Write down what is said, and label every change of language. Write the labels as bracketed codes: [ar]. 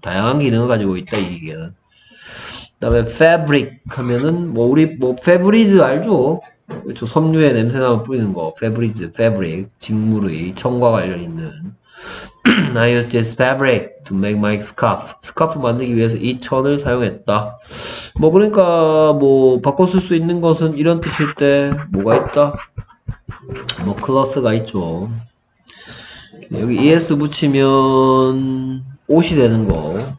[ko] 다양한 기능을 가지고 있다, 이 기계는. 그 다음에, fabric 하면은, 뭐, 우리, 뭐, Febreze 알죠? 그렇죠. 섬유에 냄새나면 뿌리는 거. Febreze, fabric. 직물의, 청과 관련 있는. [en] I used this fabric to make my scarf. [ko] 스카프 만들기 위해서 이 천을 사용했다. 뭐, 그러니까, 뭐, 바꿔 쓸수 있는 것은 이런 뜻일 때, 뭐가 있다? 뭐, 클러스가 있죠. 여기 es 붙이면, 옷이 되는 거.